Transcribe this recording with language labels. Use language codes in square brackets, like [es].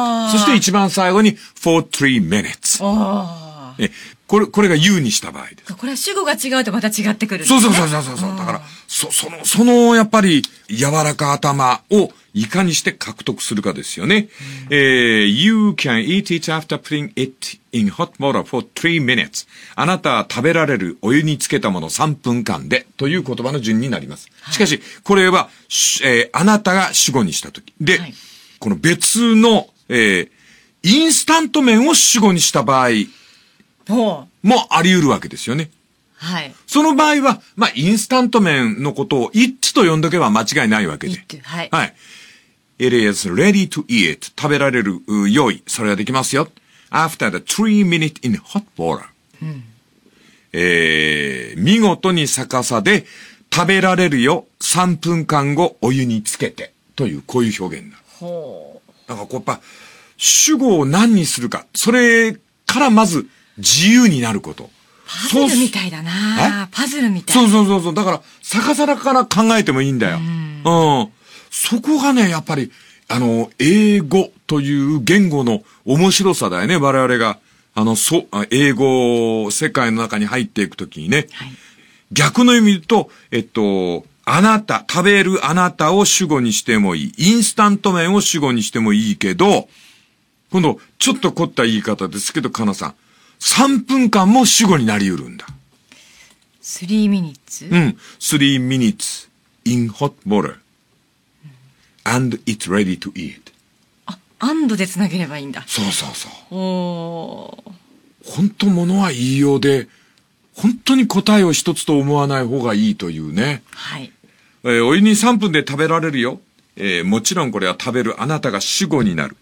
[ja] そして一番最後に [en] For three minutes。 [ja] これが You にした場合です。これは主語が違うとまた違ってくる、ね。そう。だから、その、やっぱり、柔らか頭をいかにして獲得するかですよね。 [en] You can eat it after putting it in hot water for three minutes。 [ja] あなたは食べられるお湯につけたもの3分間で、という言葉の順になります。はい、しかし、これは、あなたが主語にしたとき。で、はい、この別の、インスタント麺を主語にした場合、もあり得るわけですよね。はい。その場合は、まあ、インスタント麺のことを it と呼んどけば間違いないわけで。はい。はい。 [en] It is ready to eat. [ja] 食べられる、用意。それができますよ。 [en] After the three minutes in hot water。 [ja] うん。見事に逆さで食べられるよ。 3分間後お湯につけて。という、こういう表現になる。ほう。なんかこう、やっぱ、主語を何にするか。それからまず、自由になること。パズルみたいだな。パズルみたい。そう。だから、逆さらから考えてもいいんだよ。うん。そこがね、やっぱり、英語という言語の面白さだよね。我々が、英語世界の中に入っていくときにね、はい。逆の意味で言うと、あなた、食べるあなたを主語にしてもいい。インスタント麺を主語にしてもいいけど、今度、ちょっと凝った言い方ですけど、かなさん。 3分間も主語になりうるんだ。 [en] 3 minutes? [ja] うん。 [en] 3 minutes in hot water.、 [ja] うん、 [en] and it's ready to eat. [ja] あ、and でつなげればいいんだ。そう。おー。本当ものは言いようで、本当に答えを一つと思わない方がいいというね。はい。お湯に3分で食べられるよ。もちろんこれは食べるあなたが主語になる。